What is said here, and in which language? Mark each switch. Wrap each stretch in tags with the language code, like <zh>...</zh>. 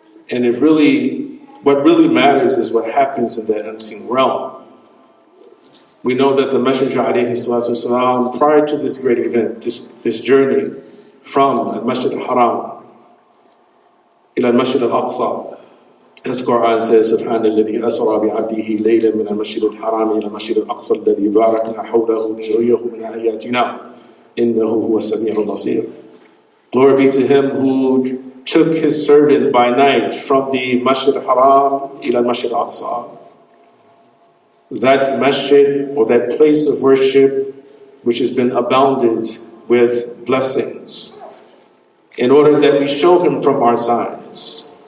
<en>And it really, what really matters is what happens in that unseen realm. We know that the Messenger alayhi salatu wasalam, prior to this great event, this journey from Masjid al-Haram</en> <ar>إلى المسجد الأقصى. As Quran says, سبحان الذي أسرى بعبده ليلا من المسجد الحرام إلى المسجد الأقصى الذي باركنا حوله لنريه من آياتنا إنه هو السميع البصير.</ar> <en>Glory be to him who took his servant by night from the Masjid al-Haram</en> <ar>إلى المسجد الأقصى.</ar> <en>That masjid, or that place of worship, which has been abounded with blessings, in order that we show him from our signs.</en>